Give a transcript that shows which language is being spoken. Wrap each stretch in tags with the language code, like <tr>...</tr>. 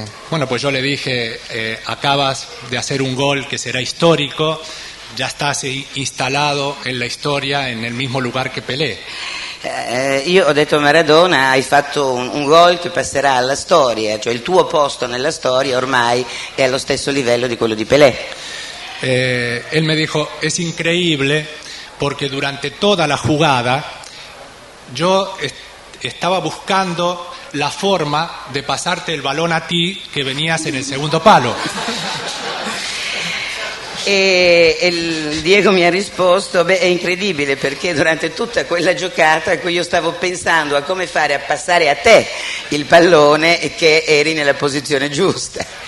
<es>Bueno, pues yo le dije, acabas de hacer un gol que será histórico, ya estás instalado en la historia en el mismo lugar que Pelé.</es> <it>Io ho detto a Maradona, hai fatto un gol che passerà alla storia, cioè il tuo posto nella storia ormai è allo stesso livello di quello di Pelé.</it> <es>Él me dijo, es increíble porque durante toda la jugada yo estaba buscando la forma de pasarte el balón a ti que venías en el segundo palo.</es> <it>E il Diego mi ha risposto, beh, è incredibile perché durante tutta quella giocata io stavo pensando a come fare a passare a te il pallone e che eri nella posizione giusta.</it>